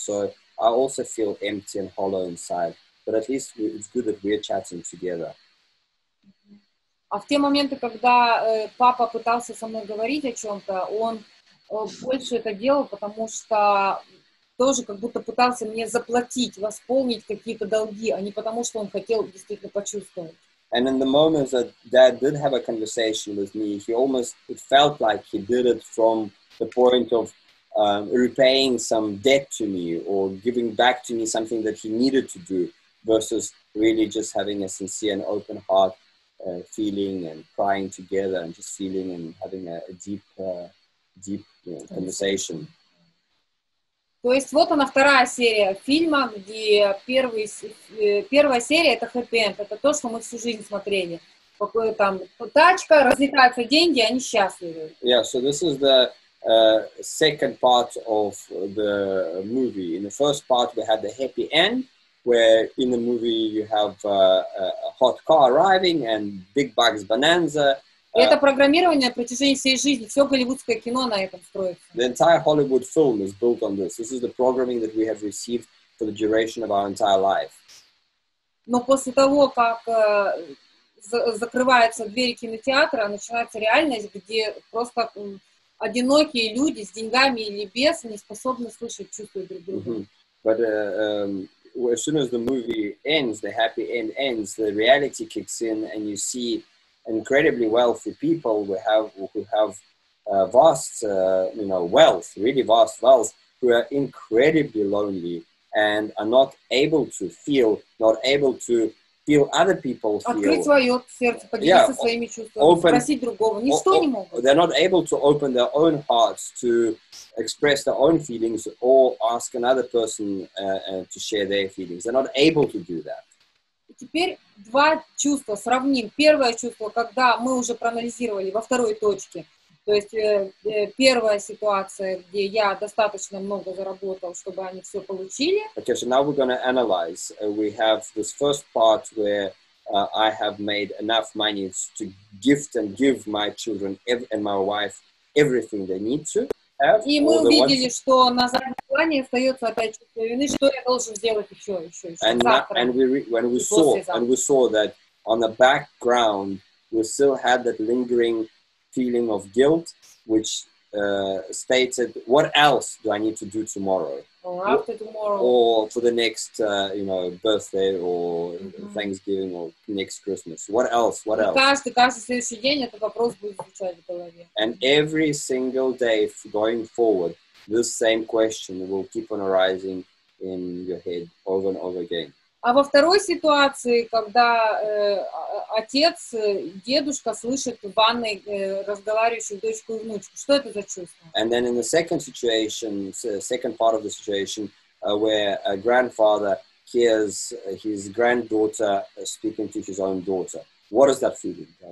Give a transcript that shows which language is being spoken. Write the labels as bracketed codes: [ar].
[en] So, I also feel empty and hollow inside. But at least it's good that we're chatting together. [ru] А в те моменты, когда папа пытался со мной говорить о чем-то, он больше это делал, потому что тоже как будто пытался мне заплатить, восполнить какие-то долги, а не потому что он хотел действительно почувствовать. [en] And in the moments that Dad did have a conversation with me, he almost, it felt like he did it from the point of repaying some debt to me or giving back to me something that he needed to do versus really just having a sincere and open heart feeling and crying together and just feeling and having a deep you know, conversation. [ru] То есть вот она вторая серия фильма, где первая серия — это хэппи-энд, это то, что мы всю жизнь смотрели. Какой там тачка, разлетаются деньги, они счастливы. [en] Yeah, so this is the second part of the movie. In the first part we had the happy end, where in the movie you have a hot car arriving and Big Bugs Bonanza. [ru] Это программирование на протяжении всей жизни. Все голливудское кино на этом строится. [en] The entire Hollywood film is built on this. This is the programming that we have received for the duration of our entire life. [ru] Но после того, как закрываются двери кинотеатра, начинается реальность, где просто одинокие люди с деньгами или без не способны слышать, чувствовать друг друга. Mm-hmm. [en] But as soon as the movie ends, the happy end ends, the reality kicks in and you see incredibly wealthy people who have vast wealth, really vast wealth, who are incredibly lonely and are not able to feel other people feel. [ru] Открыть свое сердце, поделиться своими чувствами, open, спросить другого, ничто не могут. [en] They're not able to open their own hearts to express their own feelings or ask another person to share their feelings. They're not able to do that. [ru] Теперь два чувства сравним. Первое чувство, когда мы уже проанализировали во второй точке, то есть первая ситуация, где я достаточно много заработал, чтобы они все получили. [en] Okay, so now we're going to analyze. We have this first part where I have made enough money to gift and give my children and my wife everything they need to. [ru] И мы увидели, что на заднем плане остается опять чувство вины, что я должен сделать еще завтра. [en] And when we saw that on the background, we still had that lingering feeling of guilt, which stated, what else do I need to do tomorrow? Or after tomorrow. Or for the next, birthday or Thanksgiving or next Christmas. What else? And every single day going forward, this same question will keep on arising in your head over and over again. [ru] А во второй ситуации, когда отец, дедушка слышит в ванной разговаривающую дочку и внучку, что это за чувство? [en] And then in the second situation, second part of the situation, where a grandfather hears his granddaughter speaking to his own daughter, what is that feeling?